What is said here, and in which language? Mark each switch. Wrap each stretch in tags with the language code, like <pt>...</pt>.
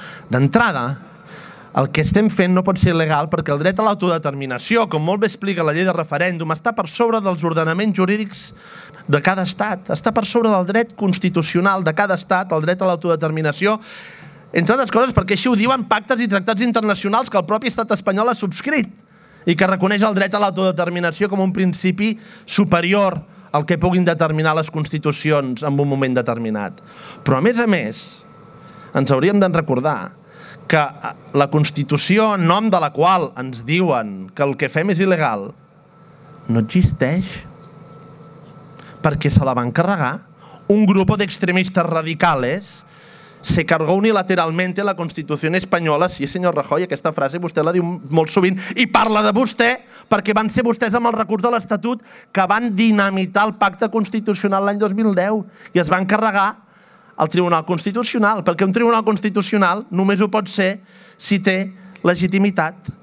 <ca>D'entrada, el que estem fent no pot ser il·legal perquè el dret a l'autodeterminació, com molt bé explica la llei de referèndum, està per sobre dels ordenaments jurídics de cada estat, està per sobre del dret constitucional de cada estat, el dret a l'autodeterminació, entre altres coses perquè així ho diuen pactes i tractats internacionals que el propi estat espanyol ha subscrit i que reconeix el dret a l'autodeterminació com un principi superior al que puguin determinar les constitucions en un moment determinat. Però a més, ens hauríem de recordar que la Constitució, en nom de la qual ens diuen que el que fem és il·legal, no existeix perquè se la van carregar.</ca> <es>Un grupo de extremistas radicales se cargó unilateralmente la Constitución española.</es> <ca>Sí, senyor Rajoy, aquesta frase vostè la diu molt sovint i parla de vostè perquè van ser vostès amb el recurs de l'Estatut que van dinamitar el pacte constitucional l'any 2010 i es van carregar el Tribunal Constitucional, perquè un Tribunal Constitucional només ho pot ser si té legitimitat.</ca>